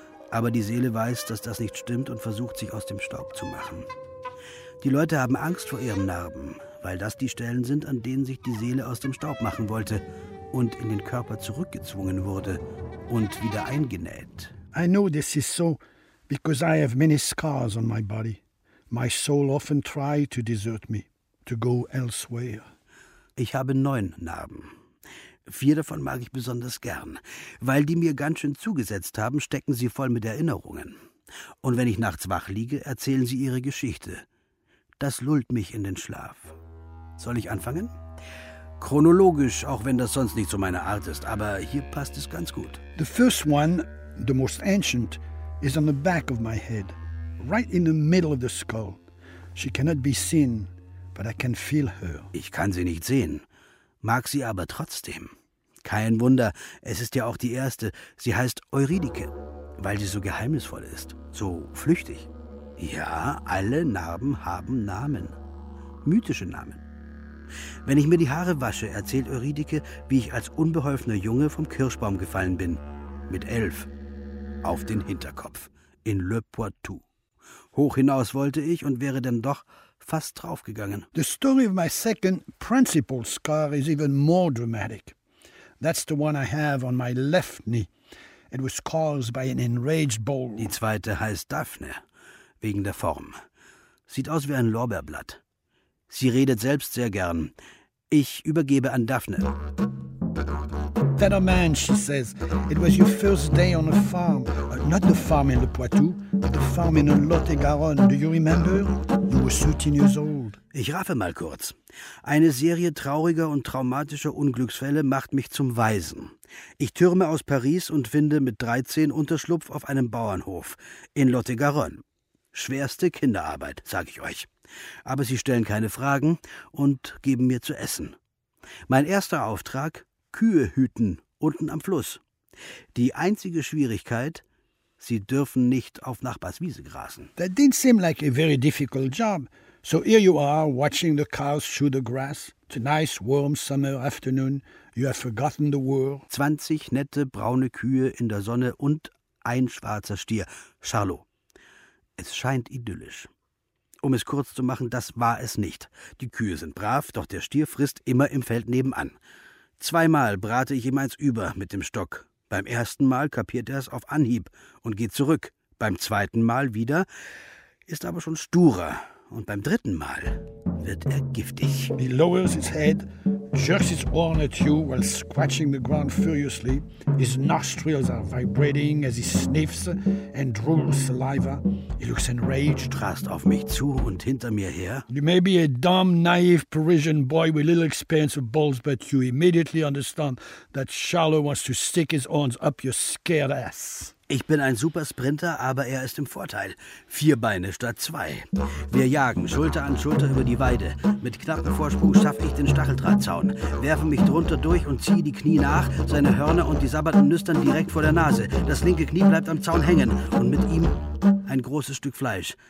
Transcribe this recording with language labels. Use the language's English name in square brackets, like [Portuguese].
[German] Aber die Seele weiß, dass das nicht stimmt und versucht, sich aus dem Staub zu machen. Die Leute haben Angst vor ihren Narben, weil das die Stellen sind, an denen sich die Seele aus dem Staub machen wollte und in den Körper zurückgezwungen wurde und wieder eingenäht. [English] I know this is so, because I have many scars on my body. My soul often tried to desert me, to go elsewhere. [German] Ich habe 9 Narben. 4 davon mag ich besonders gern. Weil die mir ganz schön zugesetzt haben, stecken sie voll mit Erinnerungen. Und wenn ich nachts wach liege, erzählen sie ihre Geschichte. Das lullt mich in den Schlaf. Soll ich anfangen? Chronologisch, auch wenn das sonst nicht so meine Art ist, aber hier passt es ganz gut. [English] The first one, the most ancient, is on the back of my head. Right in the middle of the skull. She cannot be seen. But I can feel her. [German] Ich kann sie nicht sehen, mag sie aber trotzdem. Kein Wunder, es ist ja auch die erste. Sie heißt Eurydike, weil sie so geheimnisvoll ist, so flüchtig. Ja, alle Narben haben Namen, mythische Namen. Wenn ich mir die Haare wasche, erzählt Eurydike, wie ich als unbeholfener Junge vom Kirschbaum gefallen bin. Mit 11. Auf den Hinterkopf. In Le Poitou. Hoch hinaus wollte ich und wäre dann doch fast draufgegangen. [English] The story of my second principal scar is even more dramatic. That's the one I have on my left knee. It was caused by an enraged bull. [German] Die zweite heißt Daphne, wegen der Form. Sieht aus wie ein Lorbeerblatt. Sie redet selbst sehr gern. Ich übergebe an Daphne. [English] That a man, she says. It was your first day on a farm. Not the farm in Le Poitou, the farm in Lot-et-Garonne. Do you remember? You were 13 years old. [German] Ich raffe mal kurz. Eine Serie trauriger und traumatischer Unglücksfälle macht mich zum Waisen. Ich türme aus Paris und finde mit 13 Unterschlupf auf einem Bauernhof in Lot-et-Garonne. Schwerste Kinderarbeit, sag ich euch. Aber sie stellen keine Fragen und geben mir zu essen. Mein erster Auftrag: Kühe hüten, unten am Fluss. Die einzige Schwierigkeit: Sie dürfen nicht auf Nachbars Wiese grasen. [English] That didn't seem like a very difficult job. So here you are, watching the cows chew the grass. It's a nice warm summer afternoon. You have forgotten the world. [German] 20 nette braune Kühe in der Sonne und ein schwarzer Stier. Charlot. Es scheint idyllisch. Um es kurz zu machen, das war es nicht. Die Kühe sind brav, doch der Stier frisst immer im Feld nebenan. Zweimal brate ich ihm eins über mit dem Stock. Beim ersten Mal kapiert er es auf Anhieb und geht zurück. Beim zweiten Mal wieder, ist aber schon sturer. Und beim dritten Mal wird er giftig. [English] He lowers his head, jerks his horn at you while scratching the ground furiously. His nostrils are vibrating as he sniffs and drools saliva. He looks enraged. [German] Rast auf mich zu und hinter mir her. [English] You may be a dumb, naive Parisian boy with little experience of bulls, but you immediately understand that Charlot wants to stick his horns up your scared ass. [German] Ich bin ein super Sprinter, aber er ist im Vorteil. 4 Beine statt 2. Wir jagen Schulter an Schulter über die Weide. Mit knappem Vorsprung schaffe ich den Stacheldrahtzaun, werfe mich drunter durch und ziehe die Knie nach, seine Hörner und die sabbernden Nüstern direkt vor der Nase. Das linke Knie bleibt am Zaun hängen und mit ihm ein großes Stück Fleisch.